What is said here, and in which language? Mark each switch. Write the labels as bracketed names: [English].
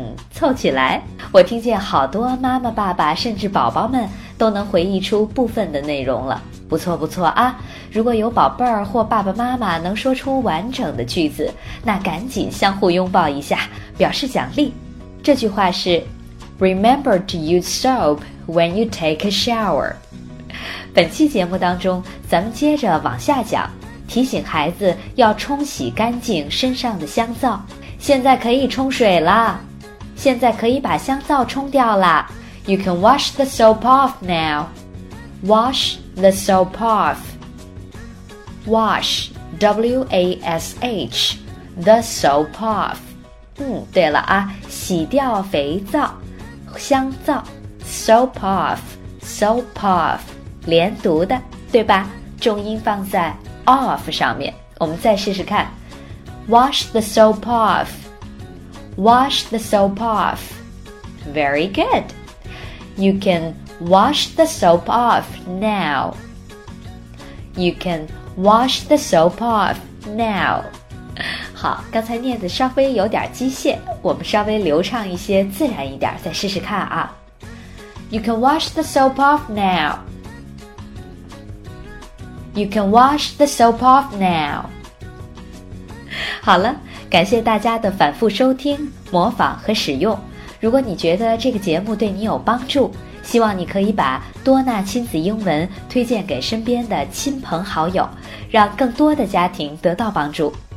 [Chinese] 凑起来，我听见好多妈妈爸爸甚至宝宝们都能回忆出部分的内容了。不错不错啊，如果有宝贝儿或爸爸妈妈能说出完整的句子，那赶紧相互拥抱一下表示奖励。这句话是 [English] Remember to use soap when you take a shower. [Chinese] 本期节目当中，咱们接着往下讲，提醒孩子要冲洗干净身上的香皂。现在可以冲水了，现在可以把香皂冲掉了。 [English] You can wash the soap off now. Wash the soap off. Wash, W-A-S-H, the soap off. [Chinese] 对了啊，洗掉肥皂，香皂 ， [English] soap off, soap off, [Chinese] 连读的，对吧？重音放在 off 上面。我们再试试看 [English] ，wash the soap off, wash the soap off, very good. You can wash the soap off now. You can wash the soap off now. [Chinese] 好，刚才念的稍微有点机械，我们稍微流畅一些，自然一点，再试试看啊。 [English] You can wash the soap off now. You can wash the soap off now. [Chinese] 好了，感谢大家的反复收听、模仿和使用。如果你觉得这个节目对你有帮助，希望你可以把多纳亲子英文推荐给身边的亲朋好友，让更多的家庭得到帮助。